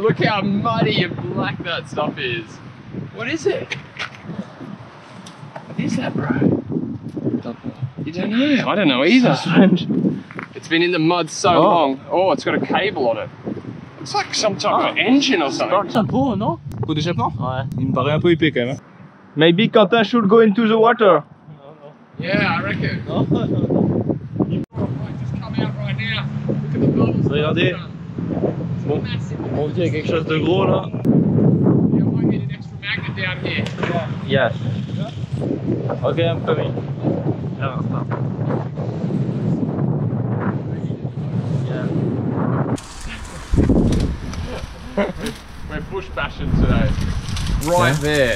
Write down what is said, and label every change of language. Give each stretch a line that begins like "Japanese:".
English: Look how muddy and black that stuff is. What is it? What is that, bro? I don't know. You don't know? I don't know either. So strange. It's been in the mud so long. Oh, it's got a cable on it. It's like some type of engine or something.
French: C'est beau, non? Coup d'échappement? Ouais. Il me paraît un peu épais quand même.
English: Maybe Quentin should go into the water. No. Yeah, I reckon. No, no, no. Just come out right now. Look at the bubbles.
French: Regardez. Bon. On dit qu'il y a quelque chose de gros là.
English: You might need an extra magnet down here. Yeah. Yes. Okay, I'm coming. Yeah, I'm coming. We're bush bashing today. Right yeah. there.